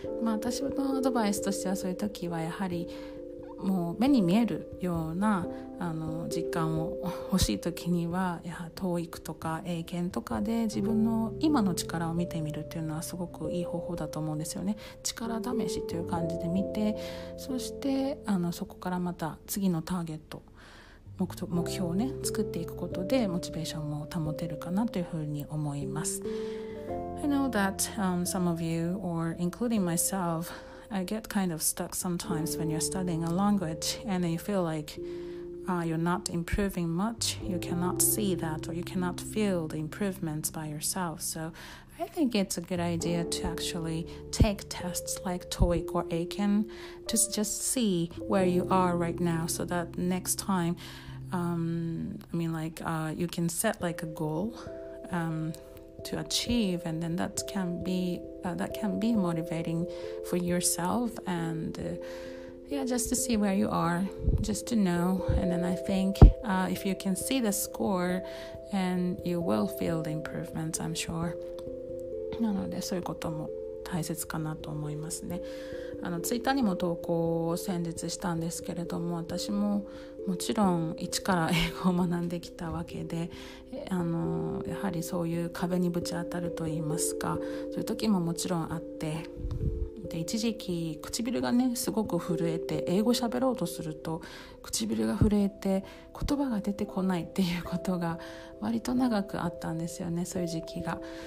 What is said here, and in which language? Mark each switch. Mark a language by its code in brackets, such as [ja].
[ja] まあ、私のアドバイスとしては、そういう時はやはりもう目に見えるような実感を欲しい時には、やはり TOEIC とか英検とかで自分の今の力を見てみるっていうのはすごくいい方法だと思うんですよね。力試しという感じで見て、そしてそこからまた次のターゲット、目標をね、作っていくことでモチベーションも保てるかなというふうに思います。 [en] I know that some of you, or including myselfI get kind of stuck sometimes when you're studying a language and you feel like you're not improving much. You cannot see that, or you cannot feel the improvements by yourself. So I think it's a good idea to actually take tests like TOEIC or AKEN to just see where you are right now, so that next time, you can set like a goal to achieve, and then that can beThat can be motivating for yourself, and just to see where you are, just to know. And then I think if you can see the score, and you will feel the improvements, I'm sure. [ja] なのでそういうことも大切かなと思いますね。ツイッターにも投稿を先日したんですけれども、私ももちろん一から英語を学んできたわけで、やはりそういう壁にぶち当たるといいますか、そういう時ももちろんあって、で一時期唇がねすごく震えて、英語喋ろうとすると唇が震えて言葉が出てこないっていうことが割と長くあったんですよね、そういう時期が。